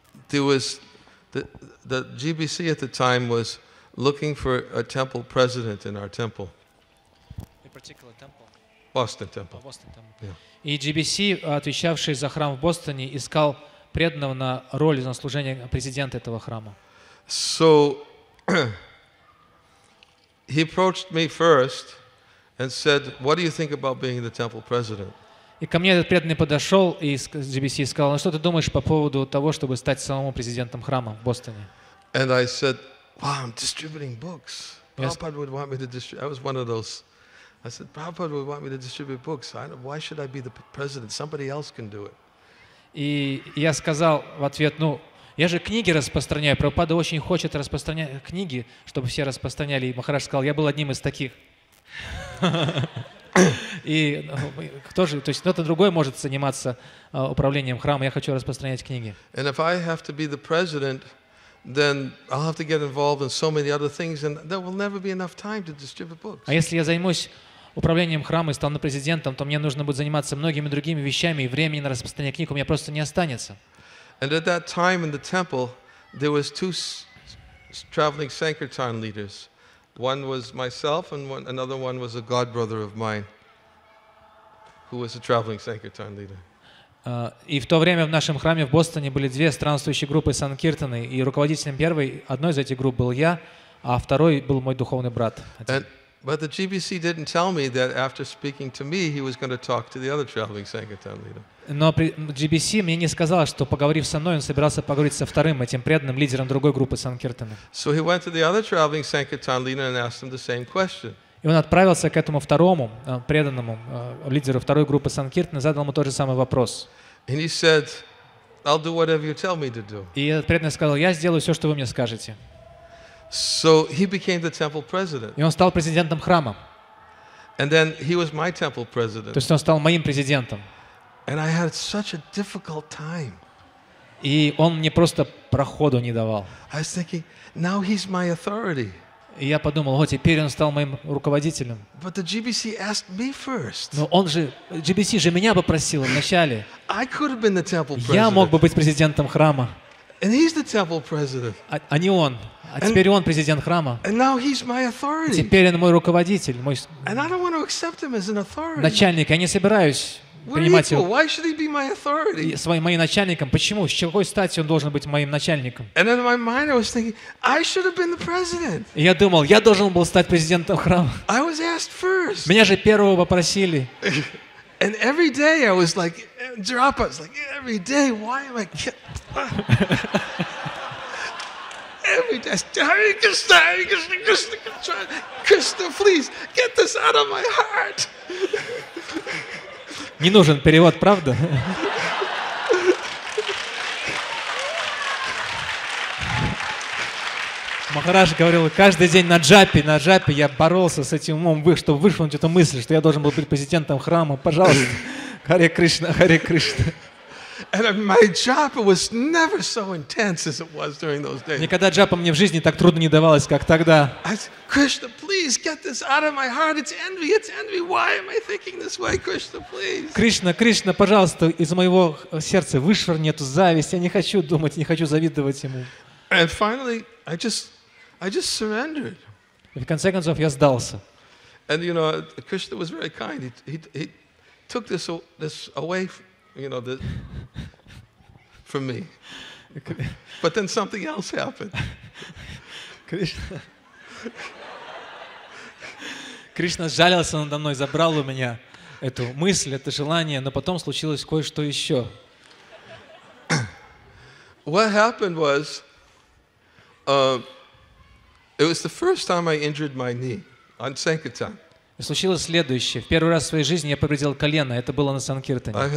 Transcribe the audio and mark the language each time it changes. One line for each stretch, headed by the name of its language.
English: The GBC at the time was looking for a temple president in our temple. A particular temple. Boston Temple. Boston Temple.
Russian: И GBC, отвечавший за храм в Бостоне, искал преданного на роль на служение президента этого храма.
English: So he approached me first and said, "What do you think about being the temple president?"
Russian: И ко мне этот преданный подошел и из GBC сказал, ну что ты думаешь по поводу того, чтобы стать самому президентом храма в Бостоне?
English: And I said, wow, I'm distributing books. Prabhupada would want me to distribute. I was one of those. I said, Prabhupada would want me to distribute books. Why should I be the president? Somebody else can do it.
Russian: И я сказал в ответ, ну, я же книги распространяю. Прабхупада очень хочет распространять книги, чтобы все распространяли. И Махарадж сказал, я был одним из таких. И кто же, то есть кто-то другой может заниматься управлением храма, я хочу распространять книги.
English: And if I have to be the president, then I'll have to get involved in so many other things, and there will never be enough time to distribute books.
Russian: А если я займусь управлением храма и стану президентом, то мне нужно будет заниматься многими другими вещами, и времени на распространение книг у меня просто не останется.
English: And at that time in the temple, there was two traveling sankirtan leaders. One was myself, and another one was a godbrother of mine, who was a traveling sankirtan leader.
Russian: И в то время в нашем храме в Бостоне были две странствующие группы санкиртаны, и руководителем первой одной из этих групп был я, а второй был мой духовный брат.
English: But the GBC didn't tell me that after speaking to me, he was going to talk to the other traveling sankirtan leader.
Russian: Но GBC мне не сказал, что поговорив со мной, он собирался поговорить со вторым этим преданным лидером другой группы санкиртаны.
English: So he went to the other traveling sankirtan leader and asked him the same question.
Russian: И он отправился к этому второму преданному лидеру второй группы санкиртаны, задал ему тот же самый вопрос.
English: And he said, "I'll do whatever you tell me to do."
Russian: И этот преданный сказал: "Я сделаю все, что вы мне скажете."
English: So he became the temple president.
Russian: И он стал президентом храма.
English: And then he was my temple president.
Russian: То есть он стал моим президентом.
English: And I had such a difficult time.
Russian: И он мне просто проходу не давал.
English: I was thinking, now he's my authority.
Russian: И я подумал, о, теперь он стал моим руководителем.
English: But the GBC asked me first.
Russian: Но он же, GBC же меня попросил вначале.
English: I could have been the temple president.
Russian: Я мог бы быть президентом храма.
English: And he's the temple president.
Russian: А не он. А теперь он президент храма.
English: And now he's my authority.
Russian: Теперь он мой руководитель, мой
English: And I don't want to accept him as an authority.
Russian: Начальник. Я не собираюсь принимать его.
English: Why should he be my authority?
Russian: Своим моим начальником. Почему? С какой стати он должен быть моим начальником?
English: And in my mind I was thinking, I should have been the president.
Russian: И я думал, я должен был стать президентом храма.
English: I was asked first.
Russian: Меня же первого попросили.
English: And every day I was like, drop us. Like every day, why am I? Every day, Hare Krishna, Hare Krishna, Krishna Krishna, Krishna, please get this out of my heart.
Russian: Не нужен перевод, правда?
English: I'm
Russian: Махарадж говорил, каждый день на джапе я боролся с этим умом, чтобы вышвырнуть эту мысль, что я должен был быть президентом храма. Пожалуйста, Харе Кришна, Харе Кришна.
English: And my japa was never so intense as it was during those days.
Russian: Никогда джапа мне в жизни так трудно не давалось, как тогда.
English: Krishna, please get this out of my heart. It's envy. Why am I thinking this way, Krishna? Please.
Russian: Кришна, пожалуйста, из моего сердца вышвырни эту зависть. Я не хочу думать, не хочу завидовать ему.
English: And finally, I just surrendered.
Russian: В конце концов я сдался.
English: And you know, Krishna was very kind. He took this away. You know, from me. But then something else happened.
Russian: Кришна сжалился надо мной, забрал у меня эту мысль, это желание, но потом случилось кое-что еще.
English: What happened was, it was the first time I injured my knee on Sankirtan.
Russian: И случилось следующее. В первый раз в своей жизни я повредил колено. Это было на Санкиртане.